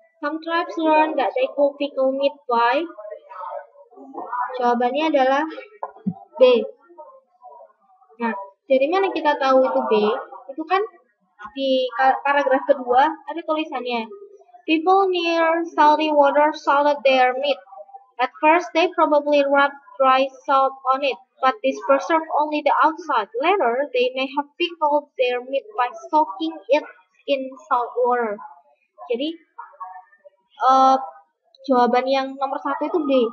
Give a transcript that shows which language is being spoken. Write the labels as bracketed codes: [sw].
[en] Some tribes learn that they cook pickled meat, why? [id] Jawabannya adalah B. Nah, dari mana kita tahu itu B? Itu kan di paragraf kedua ada tulisannya. [en] People near salty water salted their meat. At first they probably rubbed dry salt on it, but this preserved only the outside. Later they may have pickled their meat by soaking it in salt water. [id] Jadi jawaban yang nomor satu itu B.